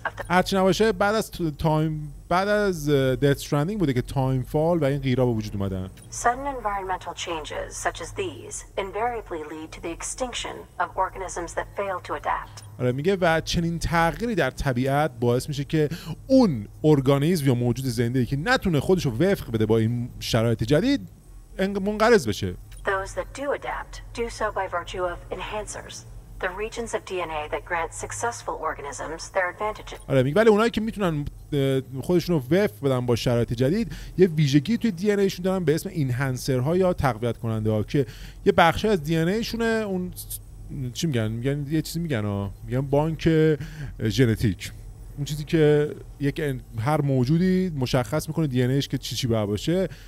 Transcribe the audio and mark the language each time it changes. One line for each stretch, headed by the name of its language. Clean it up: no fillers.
Persian: هرچی نباشه بعد از تایم، بعد از دث رانینگ بوده که تایم فال و این غیره به وجود اومدن.
English: Sudden environmental changes such as these invariably lead to the extinction of organisms that fail to adapt.
Persian: آره میگه و چنین تغییری در طبیعت باعث میشه که اون ارگانیزم یا موجود زنده‌ای که نتونه خودش رو وفق بده با این شرایط جدید منقرض بشه.
English: Those that do adapt do so by virtue of enhancers, the regions of DNA that grant successful organisms their advantages.
Persian: آره میگه ولی اونایی که میتونن خودشون رو وفق بدن با شرایط جدید یه ویژگی توی دی ان ای شون دارن به اسم انهانسرها یا تقویت کننده ها که یه بخشی از دی ان ای شونه. اون چی میگن؟ میگن یه چیزی میگن ها، میگن بانک ژنتیک، اون چیزی که یک هر موجودی مشخص میکنه دی ان ایش که چی باید باشه.